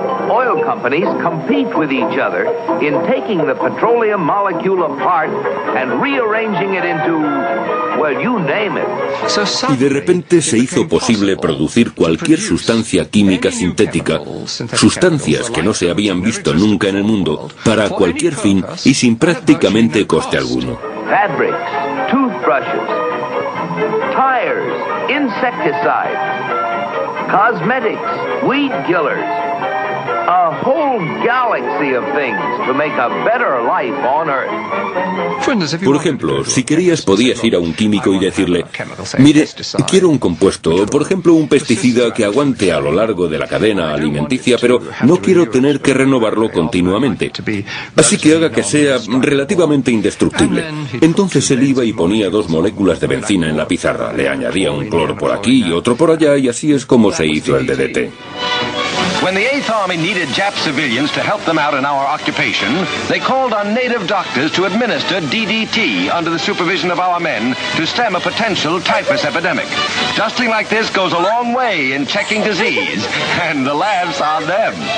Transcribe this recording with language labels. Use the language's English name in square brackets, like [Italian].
[English] Oil companies compete with each other in taking the petroleum molecule apart and rearranging it into, well, you name it. [Spanish] Y de repente se hizo posible producir cualquier sustancia química sintética, sustancias que no se habían visto nunca en el mundo, para cualquier fin y sin prácticamente coste alguno. [English] Fabrics, toothbrushes, tires, insecticides, cosmetics, weed killers. A whole galaxy of things to make a better life on Earth. [Spanish] Por ejemplo, si querías podías ir a un químico y decirle, mire, quiero un compuesto, por ejemplo un pesticida que aguante a lo largo de la cadena alimenticia, pero no quiero tener que renovarlo continuamente, así que haga que sea relativamente indestructible. Entonces él iba y ponía dos moléculas de benzina en la pizarra, le añadía un cloro por aquí y otro por allá, y así es como se hizo el DDT. [English] When the 8th Army needed Jap civilians to help them out in our occupation, they called on native doctors to administer DDT under the supervision of our men to stem a potential typhus epidemic. Dusting like this goes a long way in checking disease, and the labs are them.